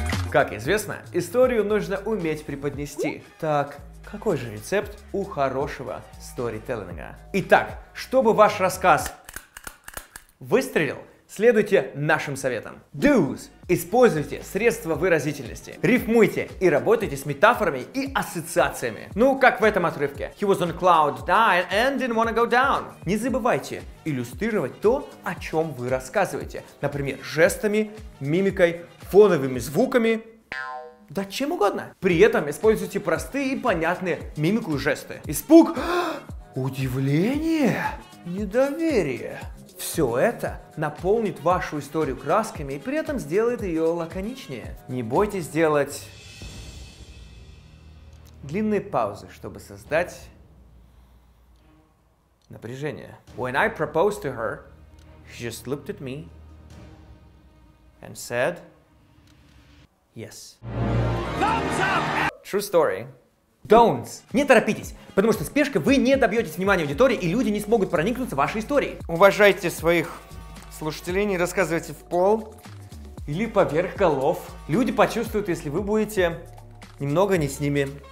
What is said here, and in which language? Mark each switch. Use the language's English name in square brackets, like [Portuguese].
[Russian] Как известно, историю нужно уметь преподнести. Так, какой же рецепт у хорошего сторителлинга? Итак, чтобы ваш рассказ выстрелил, следуйте нашим советам. [English] Do's. [Russian] Используйте средства выразительности. Рифмуйте и работайте с метафорами и ассоциациями. Ну, как в этом отрывке. [English] He was on cloud nine and didn't wanna go down. [Russian] Не забывайте иллюстрировать то, о чем вы рассказываете. Например, жестами, мимикой, фоновыми звуками. Да чем угодно. При этом используйте простые и понятные мимику и жесты. Испуг. Удивление. Недоверие. Все это наполнит вашу историю красками и при этом сделает ее лаконичнее. Не бойтесь делать длинные паузы, чтобы создать напряжение. [English] When I proposed to her, she just looked at me and said yes. Thumbs up! True story. Don'ts. [Russian] Не торопитесь, потому что спешкой вы не добьетесь внимания аудитории, и люди не смогут проникнуться в вашей истории. Уважайте своих слушателей, не рассказывайте в пол. или поверх голов. Люди почувствуют, если вы будете немного не с ними.